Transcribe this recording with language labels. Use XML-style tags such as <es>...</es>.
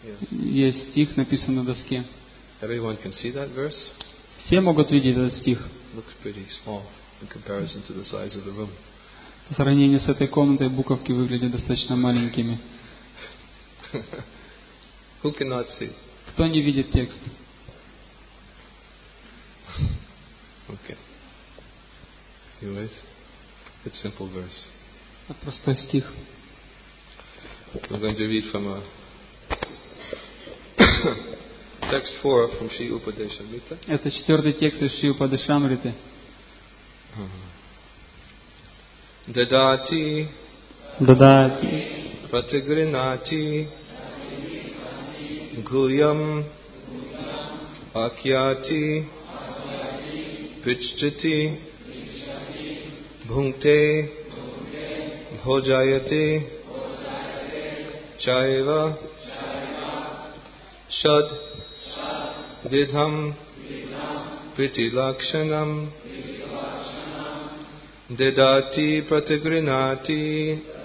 <ru>Есть стих, написан на доске.</ru> <en>Everyone can see that verse?</en> <ru>Все могут видеть этот стих.</ru> <en>Looks pretty small in comparison to the size of the room.</en> <ru>По сравнению с этой комнатой, буковки выглядят достаточно маленькими.</ru> <en>Who cannot see?</en> <ru>Кто не видит текст?</ru> <en>Okay. Anyways, it's simple verse.</en> <ru>Это простой стих.</ru> <en>I'm going to read from a text 4 from Shri Upadeshamrita.</en> <ru>Это четвертый текст из Шри Упадешамриты.</ru> <sa>Дадати. Дадати. Пратигринати. Гуям акьяти пиччати бхунте бхожаяте чайва шад дидхам притилакшанам дедати пратигринати</sa>